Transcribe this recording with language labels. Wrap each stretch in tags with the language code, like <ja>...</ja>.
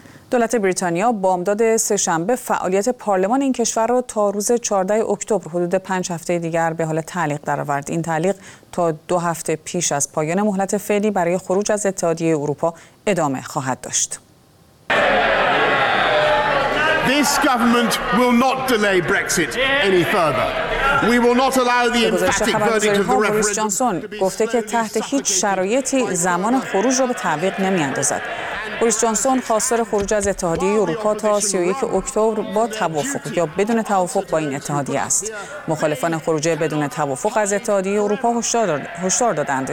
<fa>دولت بریتانیا بامداد سه‌شنبه فعالیت پارلمان این کشور را تا روز 14 اکتبر حدود 5 هفته دیگر به حال تعلیق درآورد. این تعلیق تا 2 هفته پیش از پایان مهلت فعلی برای خروج از اتحادیه اروپا ادامه خواهد داشت.</fa> <en>This government will not delay Brexit any further. We will not allow the emphatic verdict of the referendum.</en> <fa>گفته که تحت هیچ شرایطی زمان خروج را به تعویق نمی‌اندازد. بوریس جانسون خواستار خروج از اتحادیه اروپا تا 31 اکتبر با توافق یا بدون توافق با این اتحادیه است. مخالفان خروج بدون توافق از اتحادیه اروپا هشدار دادند.</fa>